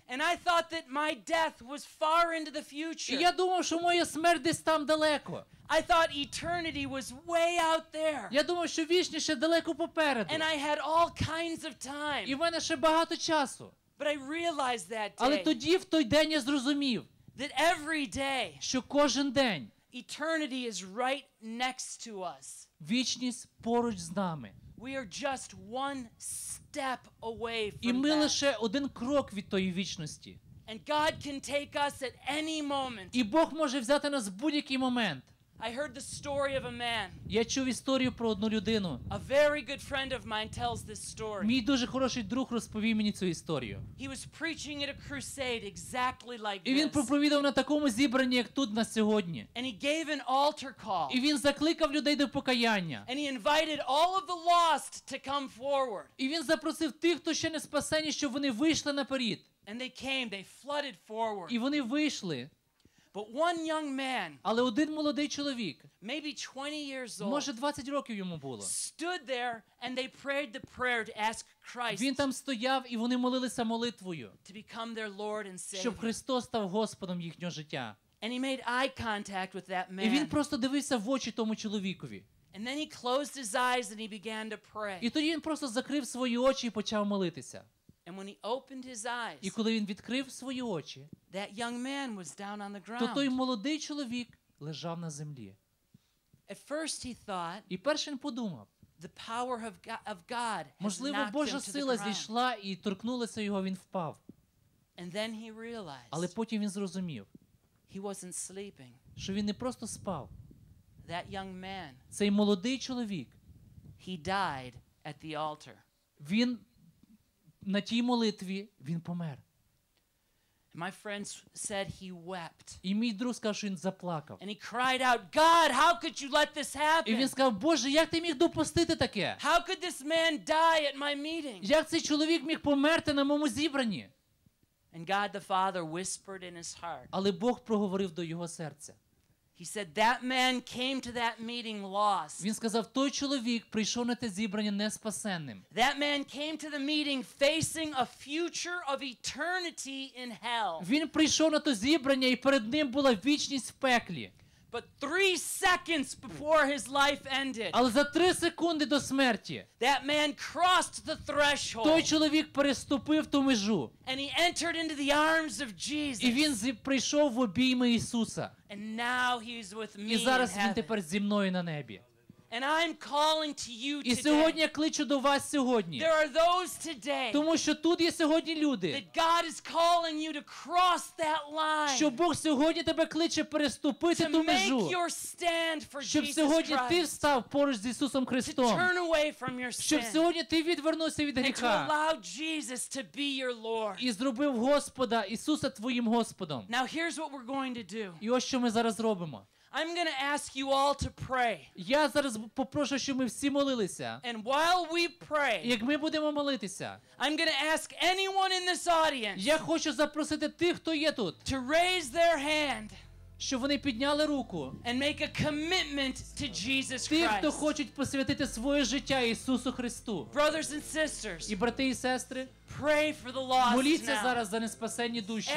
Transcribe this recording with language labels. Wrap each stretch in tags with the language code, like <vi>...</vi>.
<en>And I thought that my death was far into the future.</en> <uk>Я думав, що моя смерть десь там далеко.</uk> <en>I thought eternity was way out there.</en> <uk>Я думав, що вічність ще далеко попереду.</uk> <en>And I had all kinds of time.</en> <uk>І в мене ще багато часу.</uk> <en>But I realized that day.</en> <uk>Але тоді в той день я зрозумів.</uk> <en>That every day.</en> <uk>Що кожен день.</uk> <en>Eternity is right next to us.</en> <uk>Вічність поруч з нами.</uk> <en>We are just one step away from that.</en> <uk>І ми лише один крок від тої вічності.</uk> <en>And God can take us at any moment.</en> <uk>І Бог може взяти нас в будь-який момент.</uk> <en>I heard the story of a man.</en> <uk>Я чув історію про одну людину.</uk> <en>A very good friend of mine tells this story.</en> <uk>Мій дуже хороший друг розповів мені цю історію.</uk> <en>He was preaching at a crusade exactly like this.</en> <uk>І він проповідував на такому зібранні, як тут на сьогодні.</uk> <en>And he gave an altar call.</en> <uk>І він закликав людей до покаяння.</uk> <en>And he invited all of the lost to come forward.</en> <uk>І він запросив тих, хто ще не спасені, щоб вони вийшли наперед.</uk> <en>And they came, they flooded forward.</en> <uk>І вони вийшли.</uk> <en>But one young man,</en> <uk>але один молодий чоловік,</uk> <en>maybe 20 years old,</en> <uk>може 20 років йому було,</uk> <en>stood there and they prayed the prayer to ask Christ.</en> <uk>Він там стояв і вони молилися молитвою,</uk> <en>to become their Lord and Savior.</en> <uk>Щоб Христос став Господом їхнього життя.</uk> <en>And he made eye contact with that man.</en> <uk>І він просто дивився в очі тому чоловікові.</uk> <en>And then he closed his eyes and he began to pray.</en> <uk>І тоді він просто закрив свої очі і почав молитися.</uk> <en>And when he opened his eyes,</en> <uk>і коли він відкрив свої очі,</uk> <en>that young man was down on the ground.</en> <uk>То той молодий чоловік лежав на землі.</uk> <en>At first he thought,</en> <uk>і перше він подумав,</uk> <en>the power of God,</en> <uk>можливо, Божа сила зійшла і торкнулася його, він впав.</uk> <en>And then he realized,</en> <uk>але потім він зрозумів,</uk> <en>he wasn't sleeping.</en> <uk>Що він не просто спав.</uk> <en>That young man,</en> <uk>цей молодий чоловік,</uk> <en>he died at the altar.</en> <uk>Він на тій молитві він помер.</uk> <en>My friend said he wept.</en> <uk>І мій друг сказав, що він заплакав.</uk> <en>And he cried out, God, how could you let this happen?</en> <uk>І він сказав, Боже, як ти міг допустити таке?</uk> <en>How could this man die at my meeting?</en> <uk>Як цей чоловік міг померти на моєму зібранні?</uk> <en>And God the Father whispered in his heart.</en> <uk>Але Бог проговорив до його серця.</uk> <en>He said that man came to that meeting lost.</en> <uk>Він сказав, той чоловік прийшов на те зібрання не спасенним.</uk> <en>That man came to the meeting facing a future of eternity in hell.</en> <uk>Він прийшов на те зібрання і перед ним була вічність в пеклі.</uk> <en>But 3 seconds before his life ended.</en> <uk>Але за 3 секунди до смерті.</uk> <en>That man crossed the threshold.</en> <uk>Той чоловік переступив ту межу.</uk> <en>And he entered into the arms of Jesus.</en> <uk>І він прийшов в обійми Ісуса.</uk> <en>And now he's with me.</en> <uk>І зараз він тепер зі мною на небі.</uk> <en>And I'm calling to you today.</en> <uk>І сьогодні я кличу до вас сьогодні.</uk> <en>There are those today.</en> <uk>Тому що тут є сьогодні люди.</uk> <en>That God is calling you to cross that line.</en> <uk>Що Бог сьогодні тебе кличе переступити ту межу.</uk> <en>To make your stand for Jesus.</en> <uk>Щоб сьогодні ти встав поруч з Ісусом Христом.</uk> <en>To turn away from your sin.</en> <uk>Щоб сьогодні ти відвернувся від гріха.</uk> <en>And to allow Jesus to be your Lord.</en> <uk>І зробив Господа Ісуса твоїм Господом.</uk> <en>Now here's what we're going to do.</en> <uk>І ось що ми зараз робимо.</uk> <en>I'm going to ask you all to pray.</en> <uk>Я зараз попрошу, щоб ми всі молилися.</uk> <en>And while we pray,</en> <uk>як ми будемо молитися,</uk> <en>I'm going to ask anyone in this audience,</en> <uk>я хочу запросити тих, хто є тут,</uk> <en>to raise their hand,</en> <uk>щоб вони підняли руку,</uk> <en>and make a commitment to Jesus Christ.</en> <uk>Тих, хто хочуть посвятити своє життя Ісусу Христу.</uk> <en>Brothers and sisters,</en> <uk>і брати і сестри,</uk> <en>pray for the lost.</en> <uk>Моліться зараз за неспасенні душі.</uk>